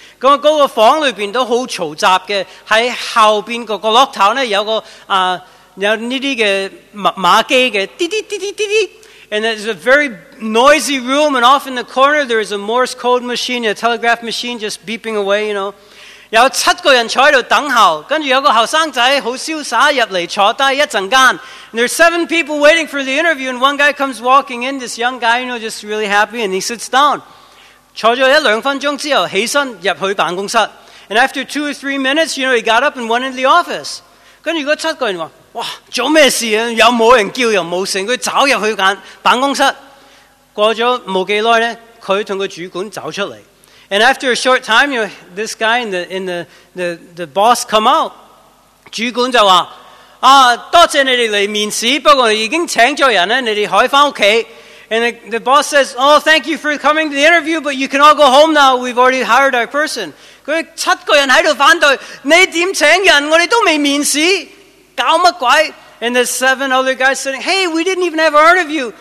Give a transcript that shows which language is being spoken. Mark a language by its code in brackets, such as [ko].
[yue] 咁个房里边都好嘈杂嘅，喺后边个个落头咧有个有呢啲嘅密码机嘅滴滴滴滴滴滴。 [en] And it's a very noisy room, and off in the corner there is a Morse code machine, a telegraph machine just beeping away, you know. [yue] 有七个人坐在那等候，跟着有个年轻人很潇洒入来坐下一阵间。 [en] And there's seven people waiting for the interview, and one guy comes walking in, this young guy, you know, just really happy, and he sits down. [yue] 坐了一两分钟之后，起身入去办公室。 [en] And after two or three minutes, you know, he got up and went into the office. [yue] 跟着那七个人说， 哇！做咩事啊？又冇人叫，又冇成，佢走入去间办公室。过咗冇几耐咧，佢同个主管走出嚟。 [en] And after a short time, you know, this guy and the boss come out. [yue] 主管就话：啊，多谢你哋嚟面试，不过已经请咗人咧，你哋可以翻屋企。 [en] And the boss says, "Oh, thank you for coming to the interview, but you can all go home now. We've already hired our person." [yue] 佢七个人喺度反对，你点请人？我哋都未面试。搞乜鬼？ [en] And the seven other guys saying, "Hey, we didn't even have our interview.